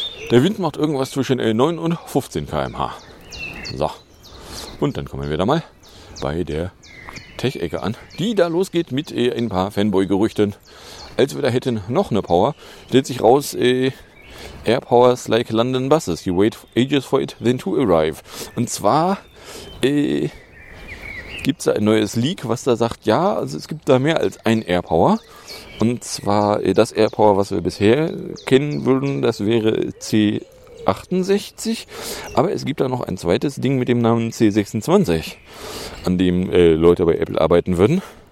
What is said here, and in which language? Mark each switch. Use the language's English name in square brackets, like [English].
[German] Der Wind macht irgendwas zwischen 9 und 15 km/h. So, und dann kommen wir da mal bei der Tech-Ecke an, die da losgeht mit ein paar Fanboy-Gerüchten. Als wir da hätten noch eine Power, stellt sich raus, [English] Air Powers like London Buses. You wait ages for it, then to arrive. [German] Und zwar gibt es da ein neues Leak, was da sagt, ja, also es gibt da mehr als ein Air Power. Und zwar das Air Power, was wir bisher kennen würden, das wäre C68. Aber es gibt da noch ein zweites Ding mit dem Namen C26, an dem Leute bei Apple arbeiten würden.